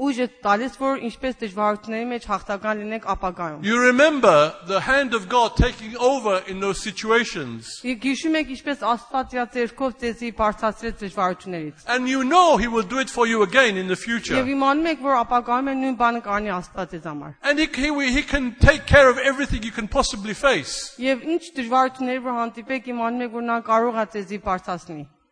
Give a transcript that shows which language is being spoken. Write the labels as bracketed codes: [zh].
[hy] ուժը տալիս, որ ինչպես դժվարությունների մեջ հաղթական լինենք ապագայում։ [en] You remember the hand of God taking over in those situations. [hy] Եկ հիշում եք, ինչպես Աստվածյա ձեռքով ձեզի բարձրացրեց դժվարություններից։ [en] And you know he will do it for you again in the future. [hy] Եվ իմանում եք, որ ապագայում է նույն բանը կանի Աստված ձեզ համար։ [en] And he can take care of everything you can possibly face. [hy] Եվ ինչ դժվարություններ որ հանդիպեք, իմանում եք, որ նա կարող է ձեզի բարձրացնի։